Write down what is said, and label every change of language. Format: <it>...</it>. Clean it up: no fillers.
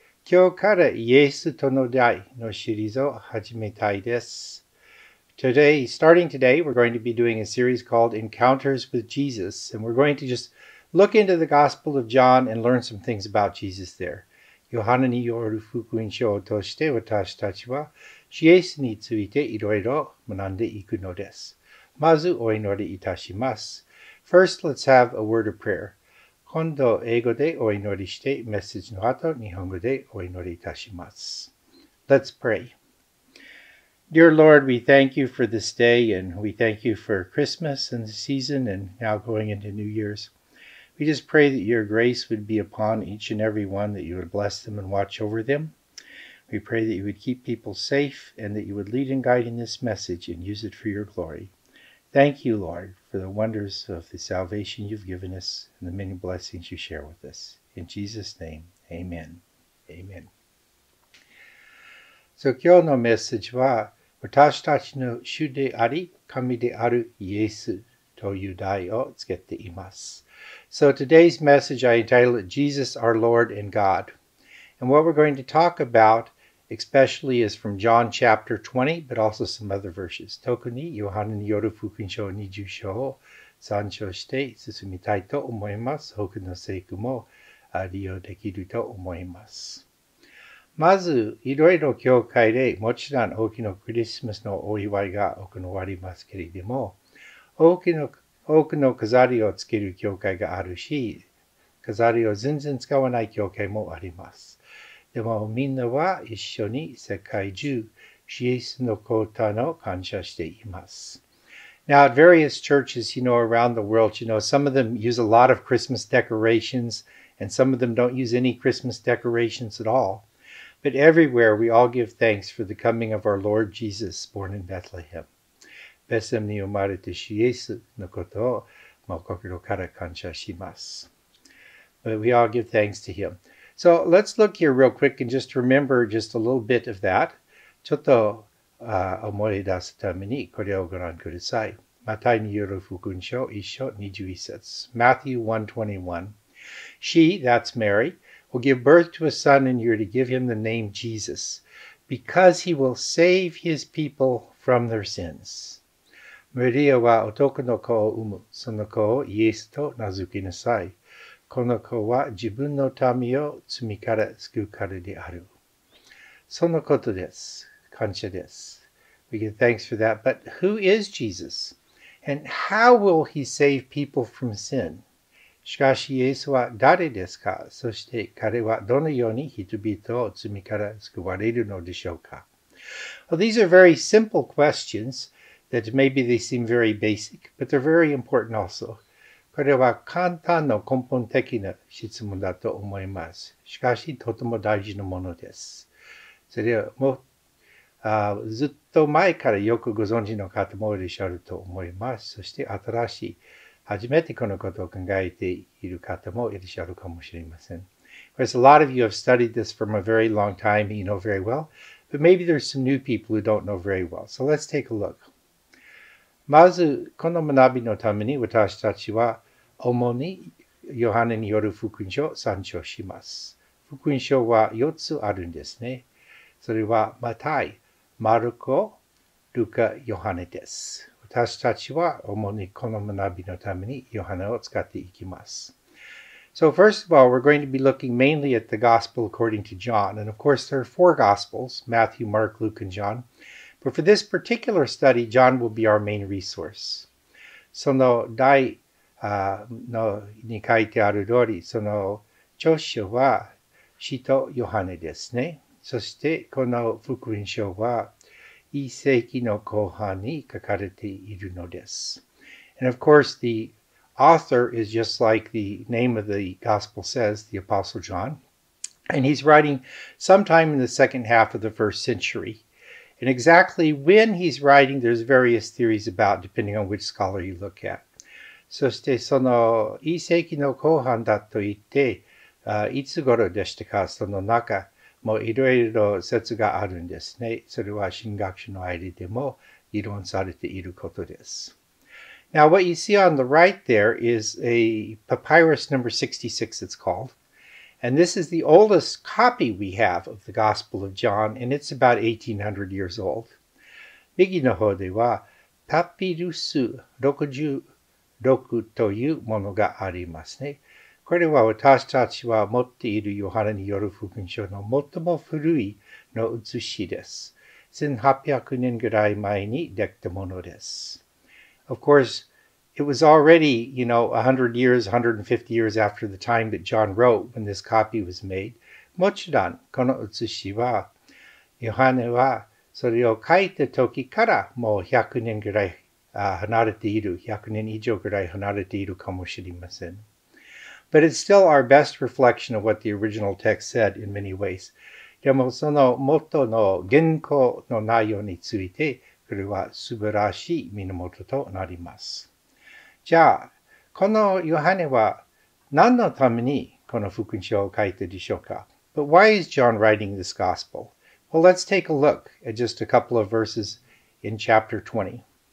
<ja>今日からイエスとの出会いのシリーズを始めたいです。</ja> <en>Starting today, we're going to be doing a series called Encounters with Jesus, and we're going to just look into the Gospel of John and learn some things about Jesus there.</en> <ja>ヨハネによる福音書を通して私たちはイエスについていろいろ学んでいくのです。まずお祈りいたします。</ja> <en>First, let's have a word of prayer.</en> <ja>今度英語でお祈りして、メッセージの後、日本語でお祈りいたします。</ja> <en>Let's pray. Dear Lord, we thank you for this day, and we thank you for Christmas and the season, and now going into New Year's. We just pray that your grace would be upon each and every one, that you would bless them and watch over them. We pray that you would keep people safe, and that you would lead and guide in this message and use it for your glory. Thank you, Lord, for the wonders of the salvation you've given us and the many blessings you share with us. In Jesus' name, amen. Amen.</en> <ja>So, 今日のメッセージは、私たちの主であり神であるイエスという題をつけています。</ja> <en>So, today's message, I entitled it, Jesus, our Lord and God. And what we're going to talk about,especially is from John chapter 20, but also some other verses.</en> <ja>特にヨハネによる福音書20章を参照して進みたいと思います。他の聖句も利用できると思います。まず、いろいろ教会でもちろん大きなクリスマスのお祝いが行われますけれども、多くの飾りをつける教会があるし、飾りを全然使わない教会もあります。でもみんなは一緒に世界中、イエスのことを感謝しています。</ja> <en>Now, at various churches, you know, around the world, you know, some of them use a lot of Christmas decorations, and some of them don't use any Christmas decorations at all. But everywhere, we all give thanks for the coming of our Lord Jesus, born in Bethlehem.</en> <ja>ベツレヘムに生まれたイエスのことを心から感謝します。</ja> <en>But we all give thanks to him. So let's look here real quick and just remember just a little bit of that.</en> <ja>ちょっと思い出すためにこれをご覧ください。マタイによる福音書一章二十一節。</ja> <en>Matthew 1:21. She, that's Mary, will give birth to a son and you're to give him the name Jesus because he will save his people from their sins.</en> <ja>マリアは男の子を産む。その子をイエスと名付けなさい。この子は自分の民を罪から救うからである。そのことです。感謝です。</ja> <en>We give thanks for that. But who is Jesus? And how will he save people from sin?</en> <ja>しかしイエスは誰ですか？そして彼はどのように人々を罪から救われるのでしょうか？</ja> <en>Well, these are very simple questions that maybe they seem very basic, but they're very important also.</en> <ja>これは簡単な根本的な質問だと思います。しかし、とても大事なものです。それはもう、ずっと前からよくご存知の方もいらっしゃると思います。そして、新しい、初めてこのことを考えている方もいらっしゃるかもしれません。</ja> <en>Because a lot of you have studied this from a very long time, you know very well. But maybe there's some new people who don't know very well. So let's take a look.</en> <ja>まず、この学びのために私たちは、主にヨハネによる福音書を参照します。福音書は4つあるんですね。それは、マタイ、マルコ、ルカ、ヨハネです。私たちは、主にこの学びのためにヨハネを使っていきます。</ja> <en>So first of all, we're going to be looking mainly at the Gospel according to John. And of course, there are four Gospels, Matthew, Mark, Luke, and John. But for this particular study, John will be our main resource.</en> <ja>その題に書いてある通り、その著書は使徒ヨハネですね。そしてこの福音書は一世紀の後半に書かれているのです。</ja> <en>And of course, the author is just like the name of the gospel says, the Apostle John. And he's writing sometime in the second half of the first century. And exactly when he's writing, there's various theories about, depending on which scholar you look at.</en> <ja>そしてその一世紀の後半だと言って、いつ頃でしたか、その中もいろいろ説があるんですね。それは神学者の間でも議論されていることです。</ja> <en>Now, what you see on the right there is a papyrus number 66, it's called. And this is the oldest copy we have of the Gospel of John, and it's about 1800 years old.</en> <ja>右の方では、パピルス66というものがありますね。これは私たちは持っているヨハネによる福音書の最も古いの写しです。 1800年ぐらい前にできたものです。</ja> <en>Of course, it was already, you know, 100 years, 150 years after the time that John wrote when this copy was made.</en> <ja>もちろん、この写しは、ヨハネはそれを書いた時からもう100年ぐらい離れている、100年以上ぐらい離れているかもしれません。</ja> <en>But it's still our best reflection of what the original text said in many ways.</en> <ja>でもその元の原稿の内容について、これは素晴らしい源となります。じゃあ、このヨハネは何のためにこの福音書を書いたでしょうか?</ja> <en>But why is John writing this gospel? Well, let's take a look at just a couple of verses in chapter 20.</en>